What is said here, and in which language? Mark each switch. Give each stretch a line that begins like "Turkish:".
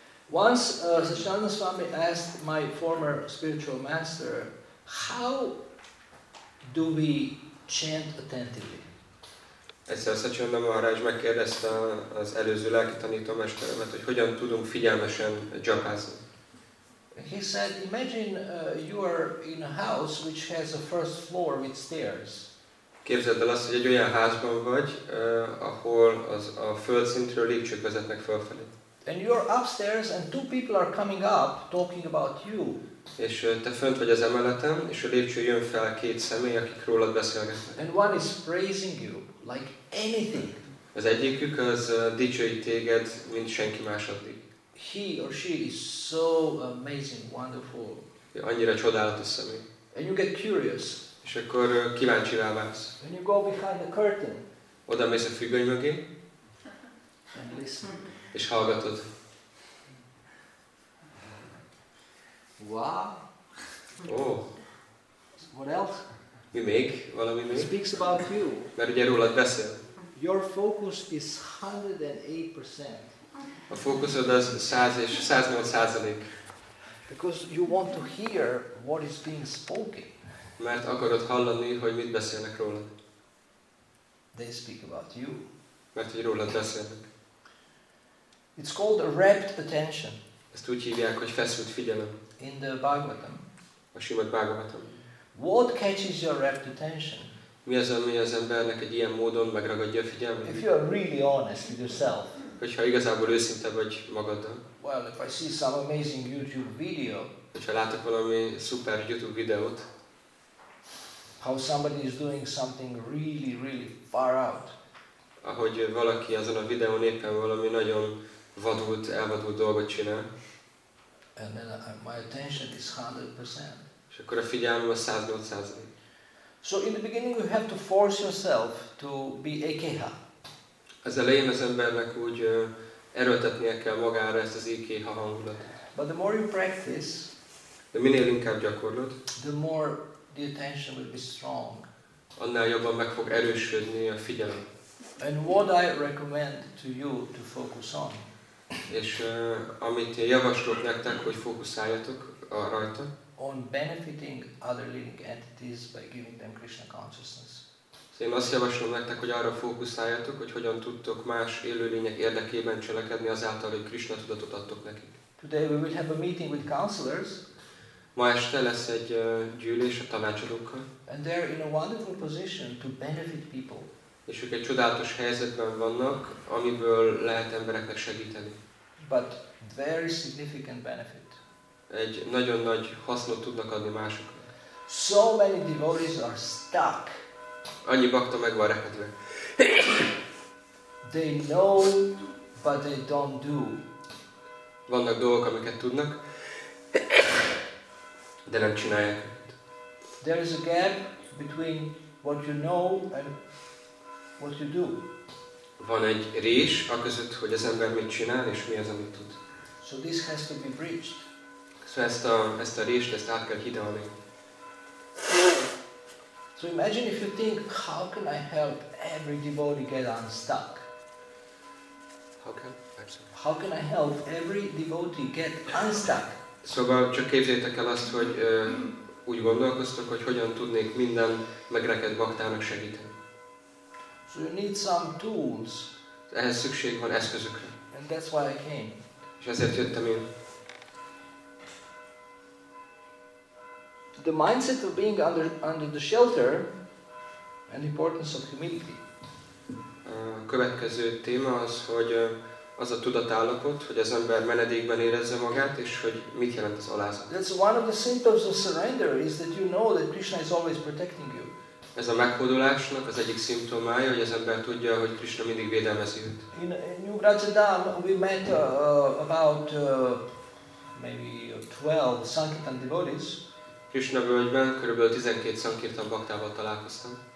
English: Once Sachana Swami asked my former spiritual master, how do we chant attentively?
Hungarian: Egyszer Szecsönda Maharázs megkérdezte az előző lelki tanítómesteremet, hogy hogyan tudunk figyelmesen japázni.
English: He said, imagine you are in a house which has a first floor with stairs.
Hungarian: Képzeld el azt, hogy egy olyan házban vagy, ahol az a földszintről lépcsők vezetnek fölfelé.
English: And you are upstairs and two people are coming up talking about you.
Hungarian: És te fönt vagy az emeleten, és a lépcső jön fel két személy, akik rólad beszélgetnek.
English: And one is praising you like anything.
Hungarian: Az egyikük az dicsőít téged, mint senki más addig.
English: He or she is so amazing, wonderful.
Hungarian: Ja, annyira csodálatos személy.
English: And you get curious.
Hungarian: És akkor kíváncsi rá válsz.
English: And you go behind the curtain.
Hungarian: Oda mész a függöny mögé.
English: And listen.
Hungarian: És hallgatod.
English: Wow. Oh. What else?
Hungarian: Mi még? Valami még?
English: He speaks about you.
Hungarian: Mert ugye rólad beszél.
English: Your focus is 108%.
Hungarian: A fókuszod az 100 és 108%.
English: Because you want to hear what is being spoken.
Hungarian: Mert akarod hallani, hogy mit beszélnek rólad.
English: They speak about you.
Hungarian: Mert hogy rólad beszélnek.
English: It's called a rapt attention.
Hungarian: Ezt úgy hívják, hogy feszült figyelem.
English: In the Bhagavatam.
Hungarian: A Srimad Bhagavatam.
English: What catches your rapt attention?
Hungarian: Mi az, ami az embernek egy ilyen módon megragadja a figyelmet?
English: If you are really honest with yourself.
Hungarian: Hogyha igazából őszinte vagy magaddal.
English: Well, if I see some amazing YouTube video.
Hungarian: Hogyha látok valami szuper YouTube videót.
English: How somebody is doing something really, really far out.
Hungarian: Ahogy valaki azon a videón éppen valami nagyon vadult, elvadult dolgot csinál.
English: And then my attention is 100%.
Hungarian: És akkor a figyelmem a 108%.
English: So in the beginning you have to force yourself to be ekeha.
Hungarian: Az elején az embernek úgy erőltetnie kell magára ezt az ekeha hangulatot.
English: But the more you practice,
Hungarian: de minél inkább gyakorlod,
English: the more the attention will be strong.
Hungarian: Annál jobban meg fog erősödni a figyelem.
English: And what I recommend to you to focus on.
Hungarian: És amit én javaslok nektek, hogy fókuszáljatok rajta.
English: On benefiting other living entities by giving them Krishna consciousness.
Hungarian: Szóval azt javaslom nektek, hogy arra fókuszáljatok, hogy hogyan tudtok más élőlények érdekében cselekedni azáltal, hogy Krishna tudatot adtok nekik.
English: Today we will have a meeting with counselors.
Hungarian: Ma este lesz egy gyűlés a tanácsadókkal.
English: And they're in a wonderful position to benefit people.
Hungarian: És ők egy csodálatos helyzetben vannak, amiből lehet embereknek segíteni.
English: But very significant benefit.
Hungarian: Egy nagyon nagy hasznot tudnak adni másoknak.
English: So many devotees are stuck.
Hungarian: Annyi bakta meg van repedve.
English: They know, but they don't do.
Hungarian: Vannak dolgok, amiket tudnak, de nem csinálják.
English: There is a gap between what you know and what you do.
Hungarian: Van egy rés a között, hogy az ember mit csinál és mi az, amit tud.
English: So this has to be bridged.
Hungarian: Szóval ezt a rést, ezt át kell hidalni.
English: So imagine if you think, how can I help every devotee get unstuck? How can I help every devotee get unstuck?
Hungarian: Szóval csak képzeljétek el azt, hogy úgy gondolkoztok, hogy hogyan tudnék minden megrekedt baktának segíteni.
English: So you need some tools.
Hungarian: Ehhez szükség van eszközökre.
English: And that's why I came.
Hungarian: És ezért jöttem én.
English: The mindset of being under the shelter and the importance of humility.
Hungarian: A következő téma az, hogy az a tudatállapot, hogy az ember menedékben érezze magát, és hogy mit jelent az alázat.
English: That's one of the symptoms of surrender, is that you know that Krishna is always protecting you.
Hungarian: Ez a meghódolásnak az egyik szimptomája, hogy az ember tudja, hogy Krishna mindig védelmezi őt.
English: In New Grajadam we met about maybe 12 Sankirtan devotees.
Hungarian: Krishna völgyben körülbelül 12 Sankirtan baktával találkoztam.